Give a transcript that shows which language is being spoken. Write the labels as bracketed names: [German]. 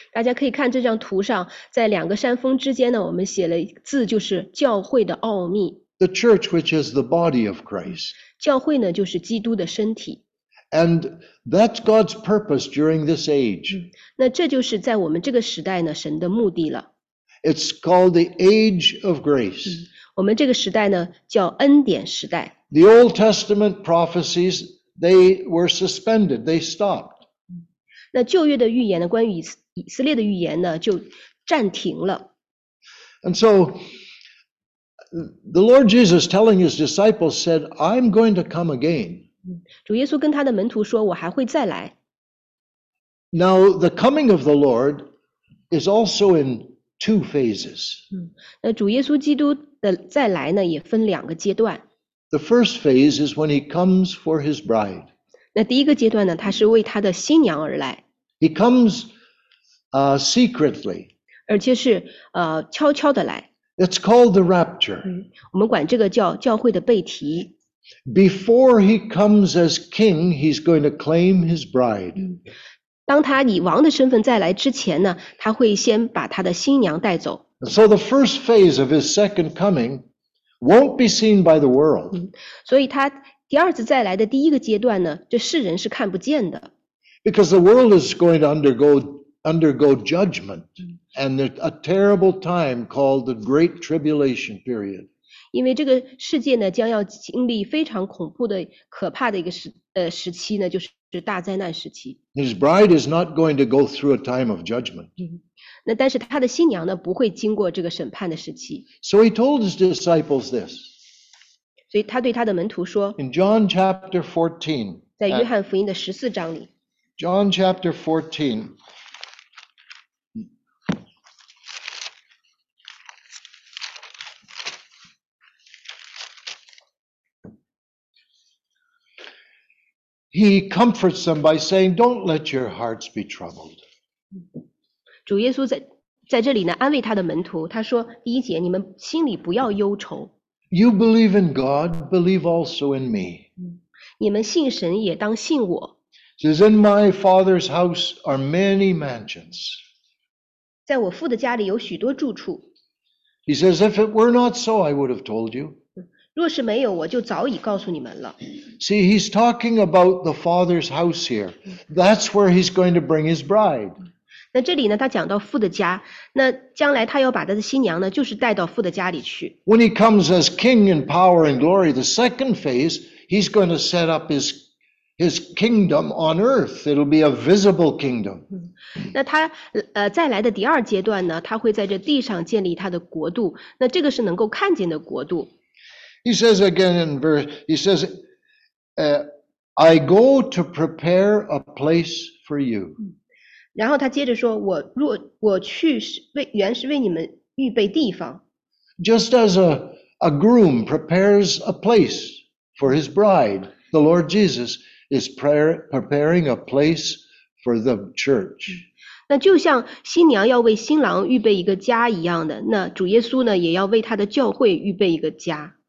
[Chinese] 大家可以看这张图上，在两个山峰之间呢，我们写了字，就是教会的奥秘。 [English] The church, which is the body of Christ. [Chinese] 教会呢，就是基督的身体。 [English] And that's God's purpose during this age. [Chinese] 那这就是在我们这个时代呢，神的目的了。 [English] It's called the age of grace. [Chinese] 我们这个时代呢，叫恩典时代。 [English] The Old Testament prophecies, they were suspended, they stopped. [Chinese] 那旧约的预言呢，关于以色列的预言呢，就暂停了。 [English] And so, the Lord Jesus telling his disciples said, I'm going to come again. [Chinese] 主耶稣跟他的门徒说，我还会再来。 [English] Now, the coming of the Lord is also in two phases. [Chinese] 那主耶稣基督再来呢，也分两个阶段。 [English] The first phase is when he comes for his bride. [Chinese] 那第一个阶段呢，他是为他的新娘而来。 [English] He comes secretly. [Chinese] 而且是悄悄的来。 [English] It's called the rapture. [Chinese] 我们管这个叫教会的被提。 [English] Before he comes as king, he's going to claim his bride. [Chinese] 当他以王的身份再来之前呢，他会先把他的新娘带走。 [English] So the first phase of his second coming won't be seen by the world. [Chinese] 所以他第二次再来的第一个阶段呢，这世人是看不见的。 [English] Because the world is going to undergo judgment and a terrible time called the Great Tribulation Period. [Chinese] 因为这个世界呢，将要经历非常恐怖的、可怕的一个时期呢，就是大灾难时期。 [English] His bride is not going to go through a time of judgment. [Chinese] 那但是他的新娘呢，不会经过这个审判的时期。 [English] So he told his disciples this. [Chinese] 所以他对他的门徒说 [English] ，In John chapter 14， [Chinese] 在约翰福音的十四章里 [English] ，John chapter 14。 He comforts them by saying, "Don't let your hearts be troubled." [Chinese] 主耶稣在这里呢，安慰他的门徒。他说，第一节，你们心里不要忧愁。 [English] You believe in God, believe also in me. [Chinese] 你们信神，也当信我。 [English] Says, "In my Father's house are many mansions." [Chinese] 在我父的家里有许多住处。 [English] He says, "If it were not so, I would have told you." [Chinese] 若是没有，我就早已告诉你们了。 [English] See, he's talking about the Father's house here. That's where he's going to bring his bride. [Chinese] 那这里呢，他讲到父的家，那将来他要把他的新娘呢，就是带到父的家里去。 [English] When he comes as king in power and glory, the second phase, he's going to set up his kingdom on earth. It'll be a visible kingdom. [Chinese] 那他再来的第二阶段呢，他会在这地上建立他的国度，那这个是能够看见的国度。 [English] He says again in verse, he says, I go to prepare a place for you. [Chinese] 然后他接着说，我去原是为你们预备地方。 [English] Just as a groom prepares a place for his bride, the Lord Jesus is preparing a place for the church. [Chinese] 那就像新娘要为新郎预备一个家一样的，那主耶稣呢，也要为他的教会预备一个家。